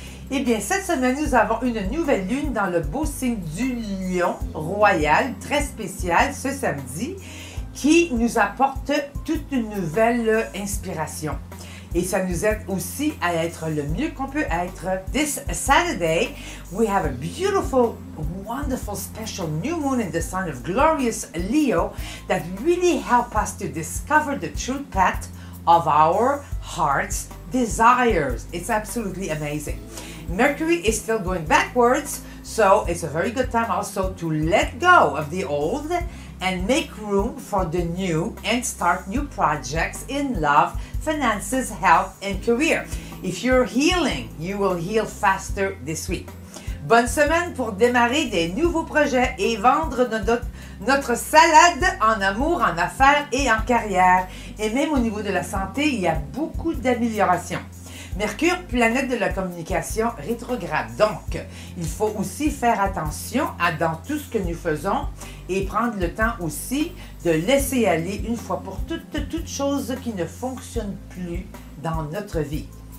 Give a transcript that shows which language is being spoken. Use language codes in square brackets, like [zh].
[fr] Eh bien, cette semaine, nous avons une nouvelle lune dans le beau signe du lion royal, très spécial, ce samedi, qui nous apporte toute une nouvelle inspiration. Et ça nous aide aussi à être le mieux qu'on peut être. [en] This Saturday, we have a beautiful, wonderful, special new moon in the sign of glorious Leo that really help us to discover the true path of our heart's desires. It's absolutely amazing. Mercury is still going backwards, so it's a very good time also to let go of the old and make room for the new and start new projects in love, finances, health, and career. If you're healing, you will heal faster this week. [fr] Bonne semaine pour démarrer des nouveaux projets et vendre notre salade en amour, en affaires et en carrière. Et même au niveau de la santé, il y a beaucoup d'améliorations. Mercure, planète de la communication, rétrograde. Donc, il faut aussi faire attention à dans tout ce que nous faisons et prendre le temps aussi de laisser aller une fois pour toutes toute chose qui ne fonctionne plus dans notre vie.